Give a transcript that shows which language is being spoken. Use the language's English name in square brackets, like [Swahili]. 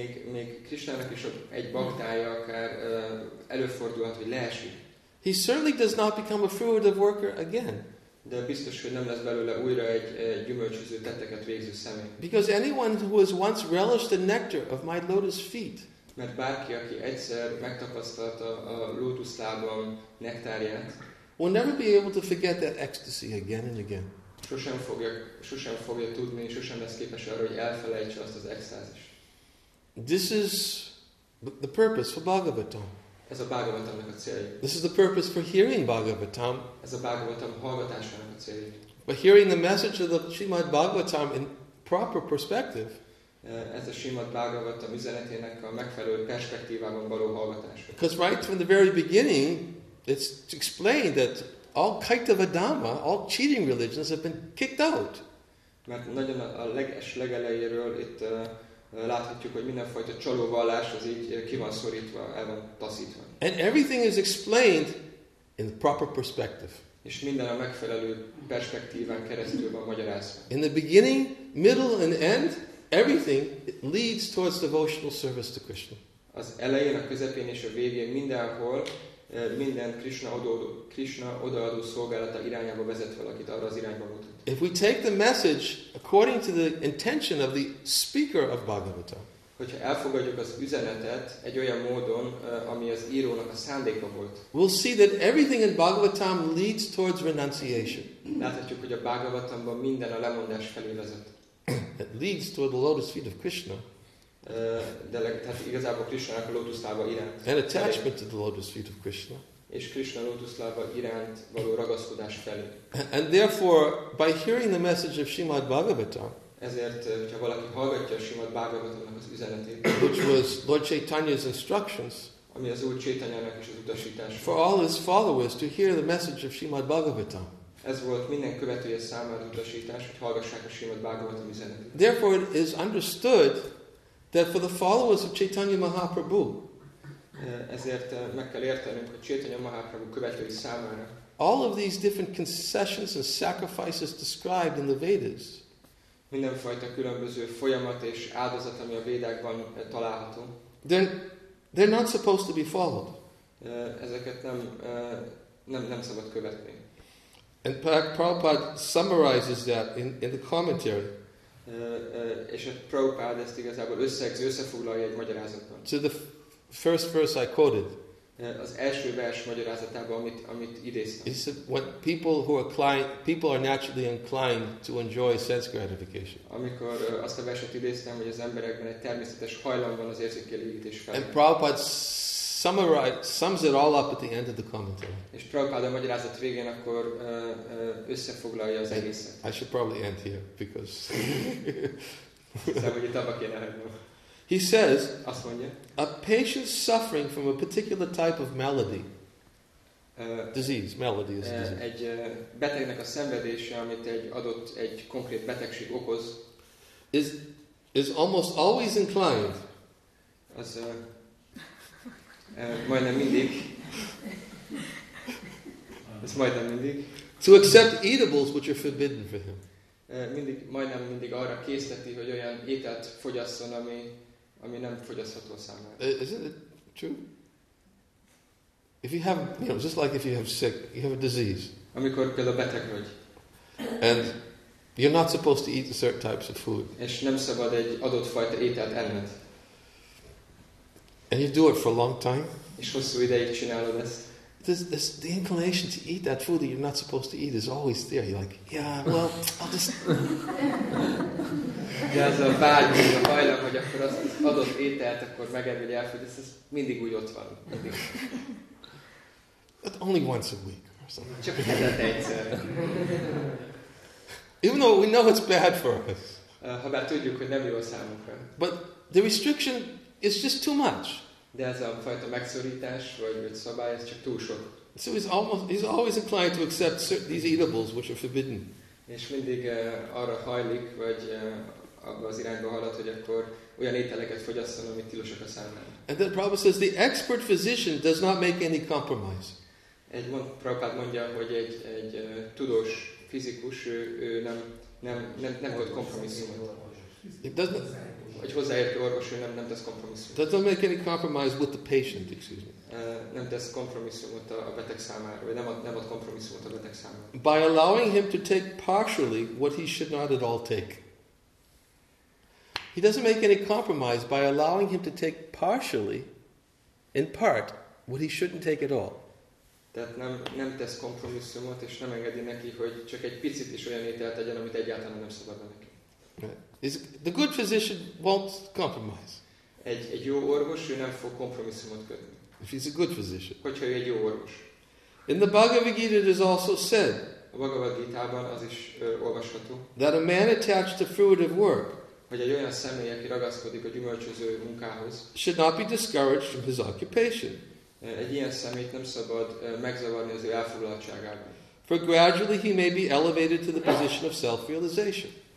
[Hungarian] Még Krishnának is egy baktája akár előfordulhat, hogy leesik. [English] He certainly does not become a fruitive worker again. [Hungarian] De biztos, hogy nem lesz belőle újra egy gyümölcsöző tetteket végző személy. [English] Because anyone who has once relished the nectar of my lotus feet, [Hungarian] mert bárki, aki egyszer megtapasztalta a lótuszlábam nektárját, [English] will never be able to forget that ecstasy again and again. [Hungarian] Sosem fogja tudni, sosem lesz képes arra, hogy elfelejtse azt az extázist. [English] This is the purpose for Bhagavatam. [Hungarian] Ez a Bhagavatamnak a célja. [English] This is the purpose for hearing Bhagavatam. [Hungarian] Ez a Bhagavatam hallgatásának a célja. [English] But hearing the message of the Srimad Bhagavatam in proper perspective, [Hungarian] ez a Srimad Bhagavatam üzenetének a megfelelő perspektívában való hallgatás. [English] Because right from the very beginning, it's explained that all Kaitava Dhamma, all cheating religions have been kicked out. [Hungarian] Mert nagyon a legelejéről itt láthatjuk, hogy mindenfajta csalóvallás az így ki van szorítva, el van taszítva. [English] And everything is explained in the proper perspective. [Hungarian] És minden a megfelelő perspektíván keresztül van magyarázva. [English] In the beginning, middle and end, everything leads towards devotional service to Krishna. [Hungarian] Az elején, a közepén és a végén mindenhol minden Krishna odaadó szolgálata irányába vezet valakit, arra az irányba mutat. [English] If we take the message according to the intention of the speaker of Bhagavatam, [Hungarian] hogyha elfogadjuk az üzenetet egy olyan módon, ami az írónak a szándéka volt, [English] we'll see that everything in Bhagavatam leads towards renunciation. [Hungarian] Láthatjuk, hogy a Bhagavatamban minden a lemondás felé vezet. [English] It leads toward the lotus feet of Krishna. [Hungarian] Tehát igazából Krishnának a lótuszlába iránt. [English] An attachment to the lotus feet of Krishna. [Hungarian] És Krishna lótuszlába iránt való ragaszkodás felé. [English] And therefore, by hearing the message of Srimad Bhagavatam, [Hungarian] ezért, hogyha valaki hallgatja a Srimad Bhagavatamnak az üzenetét, [English] which was Lord Chaitanya's instructions, [Hungarian] ami az Úr Chaitanyának is az utasítás, [English] for all his followers to hear the message of Srimad Bhagavatam. [Hungarian] Ez volt minden követője számára utasítás, hogy hallgassák a Srimad Bhagavatam üzenetét. [English] Therefore, it is understood that for the followers of Chaitanya Mahaprabhu, [Hungarian] ezért meg kell értenünk, hogy Chaitanya Mahaprabhu követői számára, [English] all of these different concessions and sacrifices described in the Vedas, [Hungarian] mindenfajta különböző folyamat és áldozat, ami a Védákban található, [English] they're not supposed to be followed. [Hungarian] Ezeket nem szabad követni. [English] And Prabhupada summarizes that in the commentary. [Hungarian] És a Prabhupada ezt igazából összefoglalja egy magyarázatban. [English] To the first verse I quoted. [Hungarian] az első vers magyarázatában, amit idéztem. [English] It's what people who are client, people are naturally inclined to enjoy sense gratification. [Hungarian] Amikor azt a verset idéztem, hogy az emberekben egy természetes hajlam van az érzékelégítés felé. [English] And Prabhupada sums it all up at the end of the commentary. [Hungarian] És Prabhupada magyarázat végén akkor összefoglalja az egészet. [English] I should probably end here because. [Hungarian] Szóval, hogy itt abba kéne hagynom. [English] He says, [Hungarian] azt mondja, [English] a patient suffering from a particular type of malady, disease, malady is a disease. [Hungarian] Egy betegnek a szenvedése, amit egy adott, egy konkrét betegség okoz, [English] is almost always inclined, [Hungarian] az majdnem mindig, ez majdnem mindig, [English] to accept eatables which are forbidden for him. [Hungarian] Mindig, majdnem mindig arra készteti, hogy olyan ételt fogyasszon, ami nem fogyasztható számára. [English] Isn't it true? If you have, you know, just like if you have sick, you have a disease. [Hungarian] Amikor például beteg vagy. [English] And you're not supposed to eat certain types of food. [Hungarian] És nem szabad egy adott fajta ételt enned. [English] And you do it for a long time. [Hungarian] És hosszú ideig csinálod ezt. [English] This the inclination to eat that food that you're not supposed to eat is always there. You're like, yeah, well, I'll just. [Hungarian] De ez a vágy, a hajlam, hogy akkor azt az adott ételt, akkor megedd, vagy elfogyasz, ez mindig úgy ott van. [English] But only once a week or something. [Hungarian] Csak hetet egyszer. [English] Even though we know it's bad for us. [Hungarian] Ha bár tudjuk, hogy nem jó számunkra. [English] But the restriction is just too much. [Hungarian] De ez a fajta megszorítás, vagy szabály, ez csak túl sok. [English] So he's always inclined to accept these eatables, which are forbidden. [Hungarian] És mindig arra hajlik, vagy abba az irányba halad, hogy akkor olyan ételeket fogyasszon, amit tilosak a számára. [English] And then Prabhupada says, the expert physician does not make any compromise. [Hungarian] Egy Prabhupada mondja, hogy egy tudós fizikus, ő nem volt kompromisszumot. Nem tesz kompromisszumot. [English] Does not make any compromise with the patient, excuse me. [Hungarian] Nem tesz kompromisszumot a beteg számára, vagy nem ad kompromisszumot a beteg számára. [English] By allowing him to take partially what he should not at all take. He doesn't make any compromise by allowing him to take partially, in part, what he shouldn't take at all. [Hungarian] Tehát nem tesz kompromisszumot, és nem engedi neki, hogy csak egy picit is olyan ételt tegyen, amit egyáltalán nem szabad neki. [English] The good physician won't compromise. [Hungarian] Egy jó orvos, ő nem fog kompromisszumot kötni. [English] If he's a good physician. [Hungarian] Hogyha ő egy jó orvos. [English] In the Bhagavad Gita it is also said. [Hungarian] A Bhagavad Gita-ban az is olvasható. [English] That a man attached to fruitive work. [Hungarian] Hogy egy olyan személy, aki ragaszkodik a gyümölcsöző munkához. [English] Should not be discouraged from his occupation. [Hungarian] Egy ilyen személyt nem szabad megzavarni az ő elfoglaltságában. [English] For gradually he may be elevated to the position of self-realization.